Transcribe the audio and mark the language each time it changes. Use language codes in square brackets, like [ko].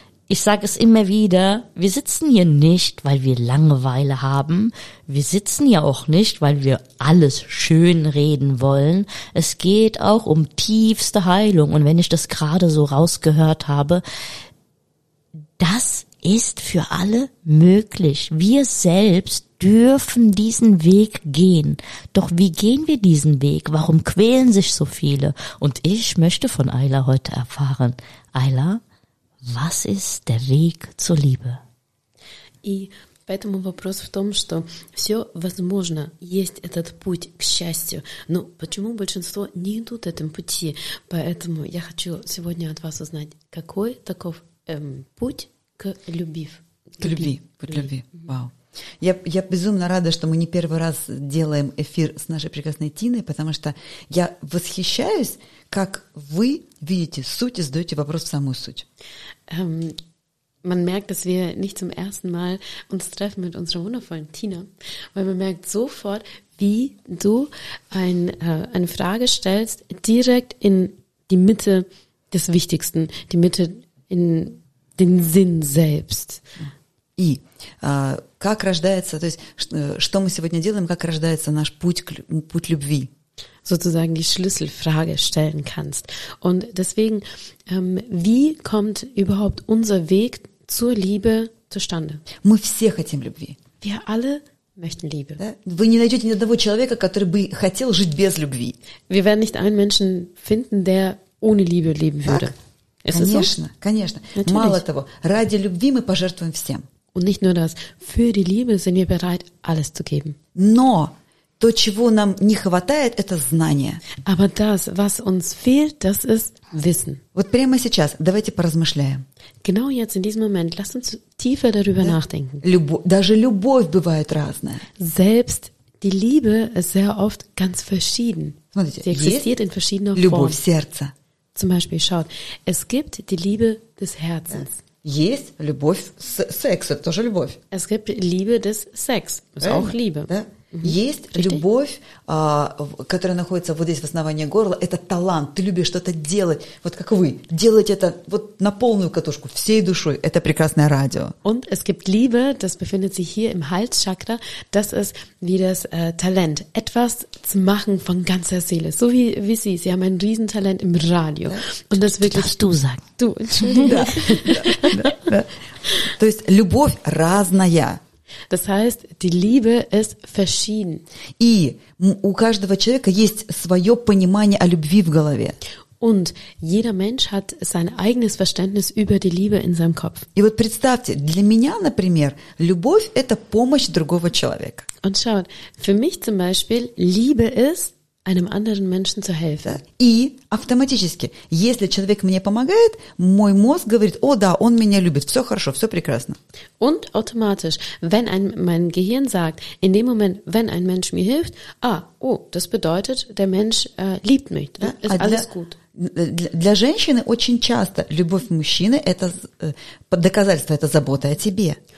[de] ich sage es immer wieder, wir sitzen hier nicht, weil wir Langeweile haben, wir sitzen ja auch nicht, weil wir alles schön reden wollen, es geht auch um tiefste Heilung und wenn ich das gerade so rausgehört habe, das ist für alle möglich, wir selbst dürfen diesen Weg gehen. Doch wie gehen wir diesen Weg? Warum quälen sich so viele? Und ich möchte von Ayla heute erfahren. Ayla, was ist der Weg zur Liebe? [ru] И поэтому вопрос в том, что все возможно, есть этот путь к счастью. Но почему большинство не идут этим пути? Поэтому я хочу сегодня от вас узнать, какой таков путь к любви. К любви, путь любви. Вау. Я безумно рада, что мы не первый раз делаем эфир с нашей прекрасной Тиной, потому что я восхищаюсь, как вы видите суть и задаете вопрос в самую суть. [de] Man merkt, dass wir nicht zum ersten Mal uns treffen mit unserer wundervollen Tina, weil man merkt sofort, wie du eine Frage stellst direkt in die Mitte des Wichtigsten, die Mitte in den Sinn selbst. [ru] И как рождается, то есть что мы сегодня делаем, как рождается наш путь любви. [de] Sozusagen die Schlüsselfrage stellen kannst. Und deswegen, wie kommt überhaupt unser Weg zur Liebe zustande? [ru] Мы все хотим любви. [de] Wir alle möchten Liebe. [ru] Да? Вы не найдете ни одного человека, который бы хотел жить без любви. [de] Wir werden nicht einen Menschen finden, der ohne Liebe leben würde. [ru] Так? Конечно, so? Конечно. [de] Natürlich. [ru] Мало того, ради любви мы пожертвуем всем. [de] Und nicht nur das, für die Liebe sind wir bereit, alles zu geben. [ru] Но То, чего нам не хватает, это знание. [de] Aber das, was uns fehlt, das ist Wissen. [ru] Вот прямо сейчас давайте поразмышляем. [de] Genau jetzt in diesem Moment, lass uns tiefer darüber nachdenken. [ru] Даже любовь бывает разная. [de] Selbst die Liebe ist sehr oft ganz verschieden. [ru] Смотрите, [de] sie existiert in verschiedener Form. [ru] Любовь сердца. [de] Zum Beispiel, schaut, es gibt die Liebe des Herzens. [ru] Есть любовь секса, тоже любовь. [de] Es gibt Liebe des Sex, ist auch Liebe. [ru] Да? Есть любовь, которая находится вот здесь в основании горла, это талант, ты любишь что-то делать, вот как вы, делать это вот на полную катушку, всей душой, это прекрасное радио. [de] Und es gibt Liebe, das befindet sich hier im Halschakra, das ist wie das Talent, etwas zu machen von ganzer Seele, so wie Sie, Sie haben ein Riesentalent im Radio. Ja. Und das wirklich, du sagst. Du, Entschuldigung. [ru] То есть любовь разная. [de] Das heißt, die Liebe ist verschieden. [ru] И у каждого человека есть свое понимание о любви в голове. [de] Und jeder Mensch hat sein eigenes Verständnis über die Liebe in seinem Kopf. [ru] И вот представьте, для меня, например, любовь – это помощь другого человека. [de] Und schaut, für mich zum Beispiel, Liebe ist, einem anderen Menschen zu helfen. [ru] Да. И автоматически, если человек мне помогает, мой мозг говорит, о да, он меня любит, все хорошо, все прекрасно. [de] Und automatisch, wenn mein Gehirn sagt, in dem Moment, wenn ein Mensch mir hilft, das bedeutet, der Mensch liebt mich, да? Ist alles gut. [ru] Для женщины очень часто любовь мужчины – это доказательство, это забота о тебе.